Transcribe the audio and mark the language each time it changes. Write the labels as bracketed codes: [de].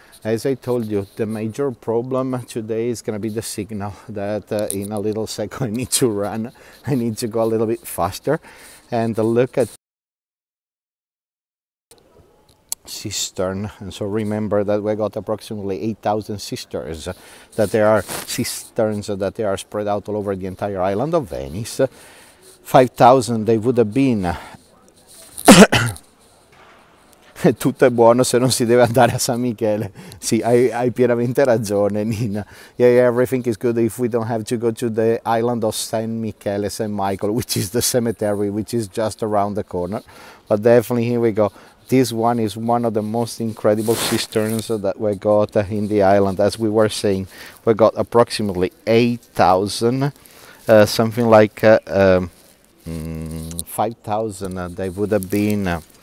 [en] As I told you, the major problem today is going to be the signal, that in a little second I need to go a little bit faster. And look at cistern, and so remember that we got approximately 8,000 cisterns, that there are cisterns that they are spread out all over the entire island of Venice. 5,000 they would have been [it] tutto è buono se non si deve andare a San Michele. Sì, hai pienamente ragione, Nina. [en] Yeah, everything is good if we don't have to go to the island of San Michele, San Michael, which is the cemetery, which is just around the corner. But definitely, here we go. This one is one of the most incredible cisterns that we got in the island. As we were saying, we got approximately 8,000, something like 5,000 they would have been